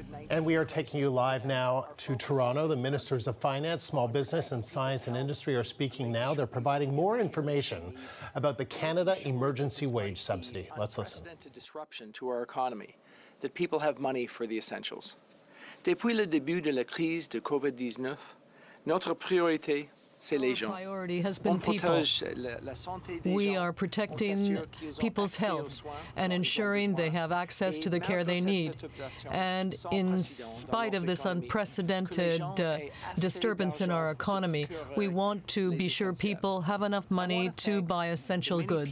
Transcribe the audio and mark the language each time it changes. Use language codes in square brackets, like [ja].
[en] And we are taking you live now to Toronto. The Ministers of Finance, Small Business and Science and Industry are speaking now. They're providing more information about the Canada Emergency Wage Subsidy. Let's listen. Unprecedented disruption to our economy, that people have money for the essentials. [fr] Depuis le début de la crise de COVID-19, notre priorité, c'est les gens. [en] Our priority has been people. We are protecting people's health and ensuring they have access to the care they need. And in spite of this unprecedented disturbance in our economy, we want to be sure people have enough money to buy essential goods.